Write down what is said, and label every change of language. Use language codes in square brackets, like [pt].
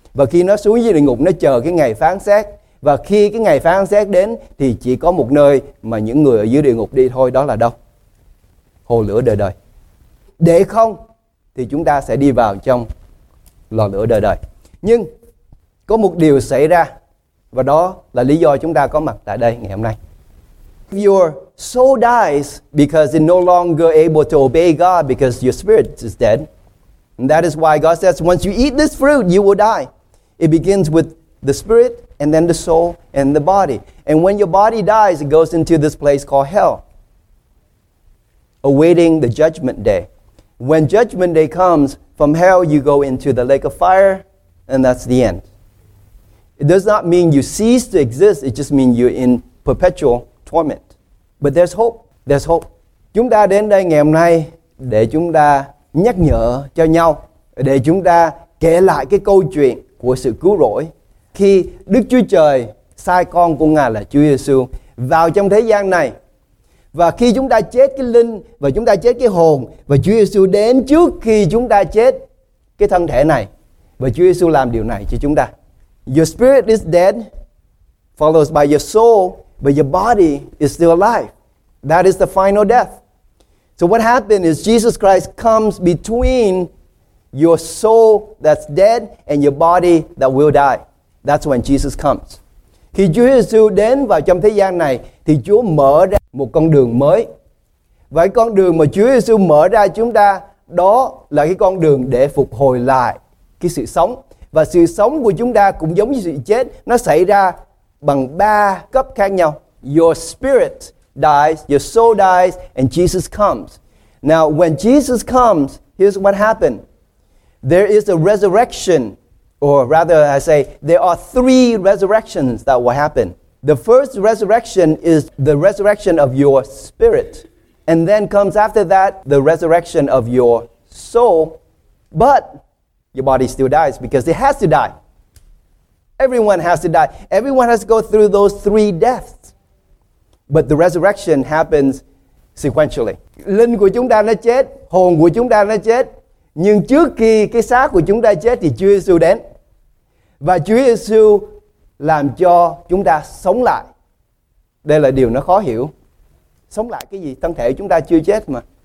[vi] Và khi nó xuống dưới địa ngục, nó chờ cái ngày phán xét. Và khi cái ngày phán xét đến thì chỉ có một nơi mà những người ở dưới địa ngục đi thôi, đó là đâu? Hồ lửa đời đời. Để không thì chúng ta sẽ đi vào trong lò lửa đời đời. Nhưng có một điều xảy ra, và đó là lý do chúng ta có mặt tại đây ngày hôm nay. [en] Your soul dies because it's no longer able to obey God because your spirit is dead. And that is why God says, once you eat this fruit, you will die. It begins with the spirit and then the soul and the body. And when your body dies, it goes into this place called hell, awaiting the judgment day. When judgment day comes, from hell you go into the lake of fire, and that's the end. It does not mean you cease to exist, it just means you're in perpetual torment. But there's hope. [vi] Chúng ta đến đây ngày hôm nay để chúng ta nhắc nhở cho nhau, để chúng ta kể lại cái câu chuyện của sự cứu rỗi. Khi Đức Chúa Trời sai con của Ngài là Chúa Giêsu vào trong thế gian này, và khi chúng ta chết cái linh và chúng ta chết cái hồn, và Chúa Giêsu đến trước khi chúng ta chết cái thân thể này, và Chúa Giêsu làm điều này cho chúng ta. [en] Your spirit is dead, followed by your soul, but your body is still alive. That is the final death. So what happened is Jesus Christ comes between your soul that's dead and your body that will die. That's when Jesus comes. [vi] Khi Chúa Giêsu đến vào trong thế gian này, thì Chúa mở ra một con đường mới. Và cái con đường mà Chúa Giêsu mở ra chúng ta, đó là cái con đường để phục hồi lại cái sự sống. Và sự sống của chúng ta cũng giống như sự chết, nó xảy ra bằng ba cấp khác nhau. [en] Your spirit dies, your soul dies, and Jesus comes. Now, when Jesus comes, here's what happened. There is a resurrection, or rather I say, there are three resurrections that will happen. The first resurrection is the resurrection of your spirit. And then comes after that, the resurrection of your soul. But your body still dies because it has to die. Everyone has to die. Everyone has to go through those three deaths. But the resurrection happens sequentially. [vi] Linh của chúng ta nó chết, hồn của chúng ta nó chết. Nhưng trước khi cái xác của chúng ta chết thì Chúa Giêsu đến. Và Chúa Giêsu làm cho chúng ta sống lại. Đây là điều nó khó hiểu. Sống lại cái gì? Thân thể chúng ta chưa chết mà.